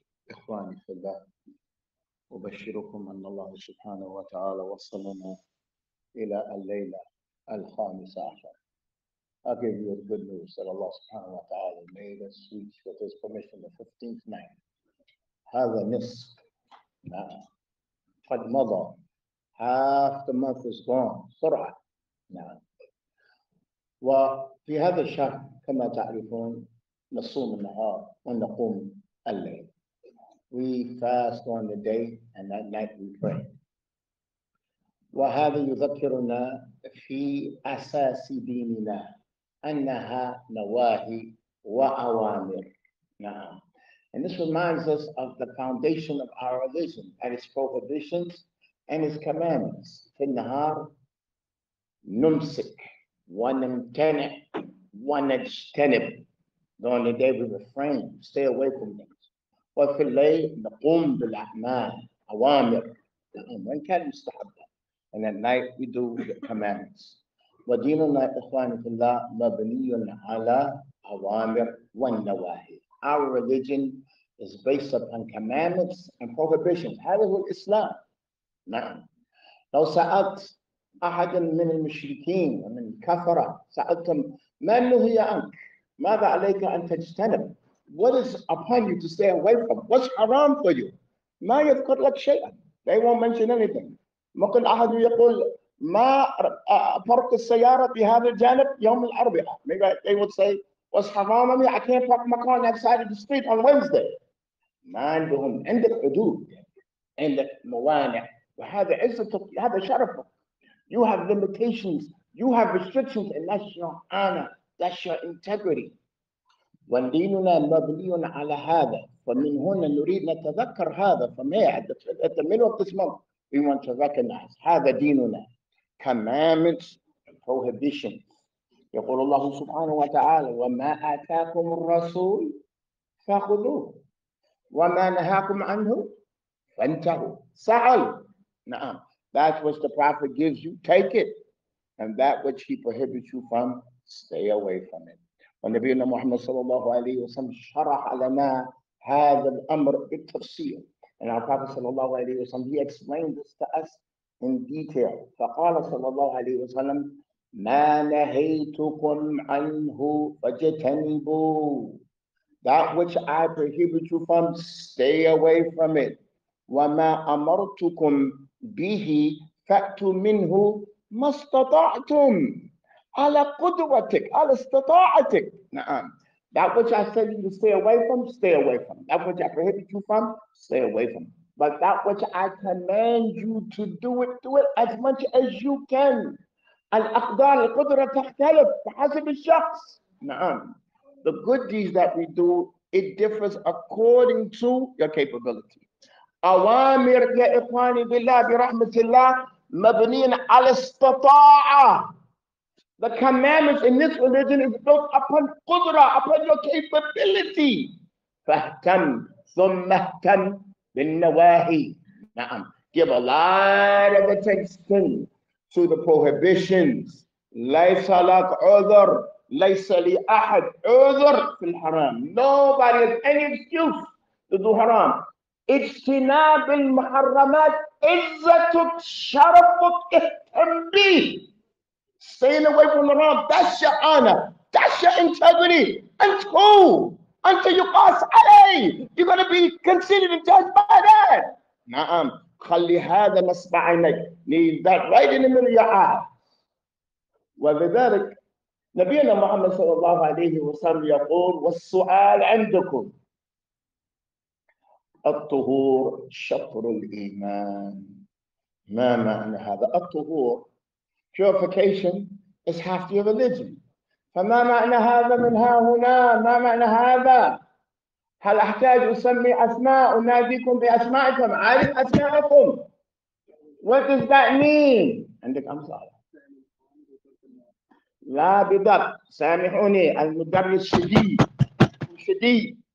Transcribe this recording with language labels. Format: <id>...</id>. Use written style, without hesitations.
<ar>إخواني في الله، أبشركم أن الله سبحانه وتعالى وصلنا إلى الليلة 15.</ar> <en>I'll give you the good news that Allah سبحانه وتعالى made us reach with His permission the 15th night.</en> <ar>هذا نصف. نعم. قد مضى.</ar> <en>Half the month is gone. سرعة. نعم.</en> <ar>وفي هذا الشهر كما تعرفون نصوم النهار ونقوم الليل.</ar> <en>We fast on the day and at night we pray.</en> <ar>وهذا يذكرنا في أساس ديننا أنها نواهي وأوامر. نعم.</ar> <en>And this reminds us of the foundation of our religion and its prohibitions and its commandments.</en> <ar>في النهار نمسك ونمتنع ونجتنب.</ar> <en>During the day, we refrain, stay away from things.</en> <ar>وفي الليل نقوم بالأعمال أوامر وإن كان مستحبا.</ar> <en>And at night, we do the commandments.</en> <ar>وديننا إخواني في الله مبني على أوامر والنواهي.</ar> <en>Our religion is based upon commandments and prohibitions.</en> <ar>هذا هو الإسلام. نعم. لو سألت أحدا من المشركين ومن الكفرة سألتهم من نهي عنك؟ ماذا عليك أن تجتنب؟ What is upon you to stay away from?</ar> <en>What's haram for you? ما يذكر لك شيئا. They won't mention anything.</en> <ar>ممكن أحد يقول ما فرق السيارة في هذا الجانب يوم الأربعاء.</ar> <en>Maybe they would say, What's haram on me? I can't park my car outside of the street on Wednesday.</en> <ar>ما عندهم عندك حدود عندك موانع وهذا عزة هذا شرف.</ar> <en>You have limitations. You have restrictions and that's your honor. That's your integrity. وديننا مبني على هذا.</en> <ar>فمن هنا نريد نتذكر هذا.</ar> <en>From here, at the middle of this month, we want to recognize هذا ديننا. Commandments and prohibitions.</en> <ar>يقول الله سبحانه وتعالى وما آتاكم الرسول فخذوه وما نهاكم عنه فانتهوا. سأل. نعم.</ar> <en>That which the prophet gives you, take it. And that which he prohibits you from, stay away from it.</en> <ar>ونبينا محمد صلى الله عليه وسلم شرح لنا هذا الأمر بالتفصيل.</ar> <en>And our Prophet صلى الله عليه وسلم, he explained this to us in detail.</en> <ar>فقال صلى الله عليه وسلم ما نهيتكم عنه فاجتنبوا.</ar> <en>That which I prohibit you from, stay away from it.</en> <ar>وما أمرتكم به فأتوا منه ما استطعتم. على قدرتك على استطاعتك. نعم.</ar> <en>That which I said you to stay away from, stay away from. That which I prohibit you from, stay away from. But that which I command you to do it as much as you can.</en> <ar>الأقدار القدرة تختلف بحسب الشخص. نعم.</ar> <en>The good deeds that we do, it differs according to your capability.</en> <ar>أوامر يا إخواني بالله برحمة الله مبنين على استطاعة.</ar> <en>The commandments in this religion is built upon qudra, upon your capability.</en> <ar>فاهتم ثم اهتم بالنواهي. نعم.</ar> <en>Give a lot of attention to the prohibitions.</en> <ar>ليس لك عذر. ليس لي أحد عذر في الحرام.</ar> <en>Nobody has any excuse to do haram.</en> <ar>اجتناب المحرمات عزتك شرفك اهتم به.</ar> <en>Staying away from the wrong, that's your honor, that's your integrity. Until you pass away, you're going to be considered and judged by that.</en> <ar>نعم. خلي هذا نصب عينيك.</ar> <en>Need that right in the middle of your eye.</en> <ar>وبذلك نبينا محمد صلى الله عليه وسلم يقول والسؤال عندكم الطهور شطر الإيمان.</ar> <en>ما معنى هذا الطهور؟ Purification is half your religion.</en> <ar>فما معنى هذا من ها هنا؟ ما معنى هذا؟ هل أحتاج أسمي أسماء أناديكم بأسمائكم؟ أعرف أسماءكم.</ar> <en>What does that mean? عندك أمثال.</en> <ar>لا بدك. سامحوني المدرس شديد.</ar>